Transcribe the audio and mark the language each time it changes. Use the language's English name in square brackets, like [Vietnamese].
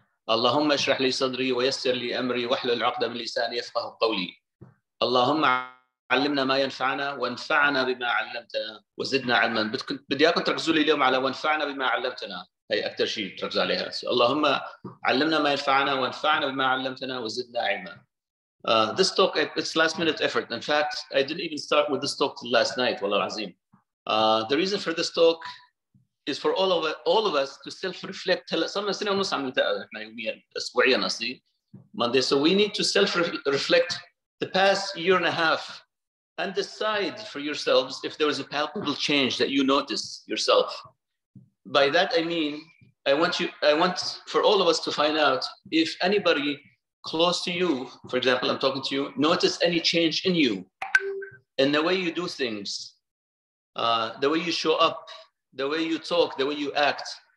[Arabic] اللهم اشرح لي صدري ويسر لي أمري واحلل العقدة من لساني يفقه قولي. اللهم علمنا ما ينفعنا وانفعنا بما علمتنا وزدنا علما. بدي اياكم تركزوا لي اليوم على وانفعنا بما علمتنا، هي اكثر شيء تركز عليها. اللهم علمنا ما ينفعنا وانفعنا بما علمتنا وزدنا علما. [English] This talk, it's last minute effort. In fact, I didn't even start with this talk last night, [Arabic] والله العظيم. [English] The reason for this talk is for all of us to self-reflect. [Arabic] صرنا سنة ونص عم نتقابل احنا يوميا اسبوعيا نصلي Monday. [English] So we need to self-reflect the past year and a half and decide for yourselves if there was a palpable change that you notice yourself. By that I mean, I want for all of us to find out if anybody close to you, for example, I'm talking to you, notice any change in you, in the way you do things, the way you show up, the way you talk, the way you act.